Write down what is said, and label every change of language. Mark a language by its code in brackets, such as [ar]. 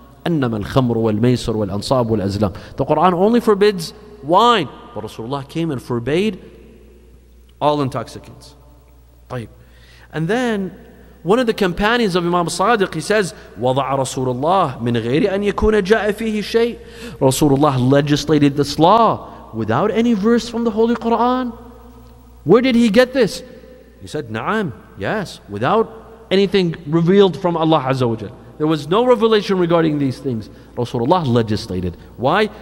[ar] أنما الخمر والميسر والأنصاب والأزلام. [en] The Quran only forbids wine, but Rasulullah came and forbade all intoxicants. [ar] طيب. [en] And then one of the companions of Imam Sadiq, he says, [ar] وضع رسول الله من غير أن يكون جاء فيه شيء. [en] Rasulullah legislated this law without any verse from the Holy Quran. Where did he get this? He said, نعم Yes, without anything revealed from Allah Azza wa Jal. There was no revelation regarding these things. Rasulullah legislated. Why?